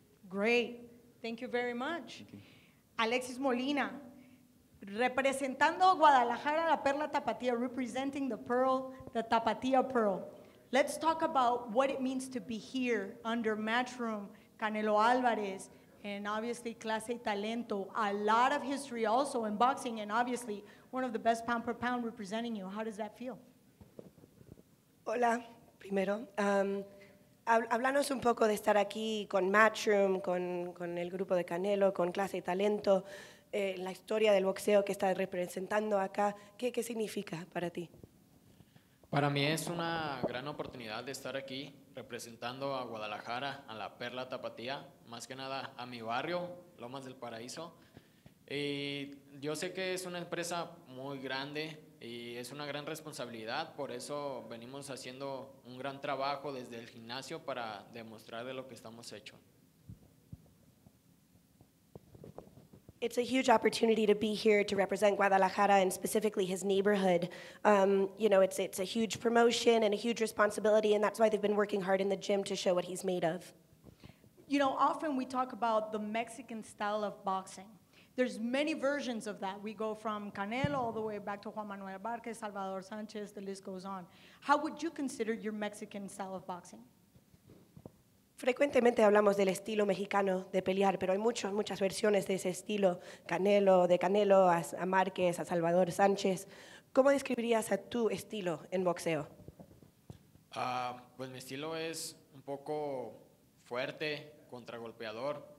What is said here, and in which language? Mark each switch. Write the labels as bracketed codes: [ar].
[en] Great. Thank you very much. Okay. Alexis Molina, [es] representando Guadalajara, la Perla Tapatía, [en] representing the Pearl, the Tapatía Pearl. Let's talk about what it means to be here under Matchroom, Canelo Alvarez, and obviously Clase Talento, a lot of history also in boxing, and obviously one of the best pound per pound representing you. How does that feel? [es] Hola, primero. Háblanos un poco de estar aquí con Matchroom, con el grupo de Canelo, con Clase y Talento, la historia del boxeo que estás representando acá. ¿Qué significa para ti? Para mí es una gran oportunidad de estar aquí representando a Guadalajara, a la Perla Tapatía, más que nada a mi barrio, Lomas del Paraíso. Y yo sé que es una empresa muy grande y es una gran responsabilidad, por eso venimos haciendo un gran trabajo desde el gimnasio para demostrar de lo que estamos hecho. [en] It's a huge opportunity to be here to represent Guadalajara and specifically his neighborhood. You know, it's a huge promotion and a huge responsibility, and that's why they've been working hard in the gym to show what he's made of. You know, often we talk about the Mexican style of boxing. There's many versions of that. We go from Canelo all the way back to Juan Manuel Vargas, Salvador Sanchez, the list goes on. How would you consider your Mexican style of boxing? [es] Frecuentemente hablamos del estilo mexicano de pelear, pero hay muchas versiones de ese estilo, Canelo, de Canelo, a Márquez, a Salvador Sánchez. ¿Cómo describirías a tu estilo en boxeo? Pues mi estilo es un poco fuerte, contragolpeador.